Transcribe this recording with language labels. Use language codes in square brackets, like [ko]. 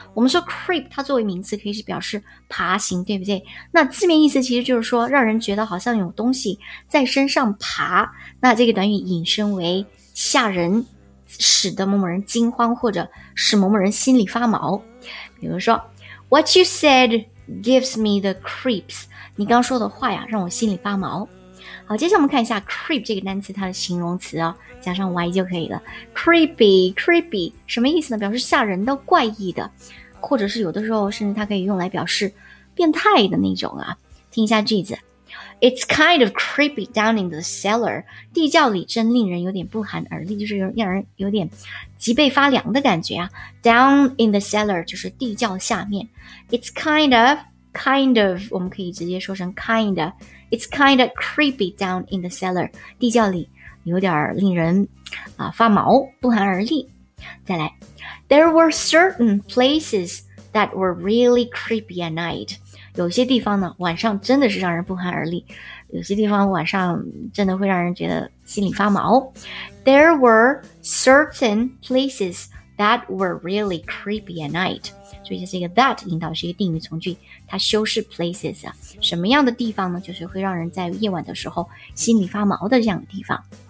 [zh] 我们说 creep 它作为名词可以是表示爬行，对不对？那字面意思其实就是说让人觉得好像有东西在身上爬。那这个短语引申为吓人，使得某某人惊慌，或者使某某人心里发毛。比如说 [en] What you said gives me the creeps. [zh] 你刚说的话呀让我心里发毛。好，接下来我们看一下 creep 这个单词，它的形容词哦，加上 y 就可以了。 creepy 什么意思呢？表示吓人的、怪异的，或者是有的时候甚至它可以用来表示变态的那种啊。听一下句子 [en] ：It's kind of creepy down in the cellar. [zh] 地窖里真令人有点不寒而栗，就是让人有点脊背发凉的感觉啊。 [en] Down in the cellar [zh] 就是地窖下面。 [en] It's kind of [zh] 我们可以直接说成 [en] kind of。 It's kind of creepy down in the cellar. [zh] 地窖里有点令人发毛，不寒而栗。再来 [en] ，There were certain places that were really creepy at night. [zh] 有些地方呢，晚上真的是让人不寒而栗。有些地方晚上真的会让人觉得心里发毛。 [en] There were certain places that were really creepy at night. [zh] 注意一下这个 that 引导是一个定语从句，它修饰 places 啊，什么样的地方呢？就是会让人在夜晚的时候心里发毛的这样的地方。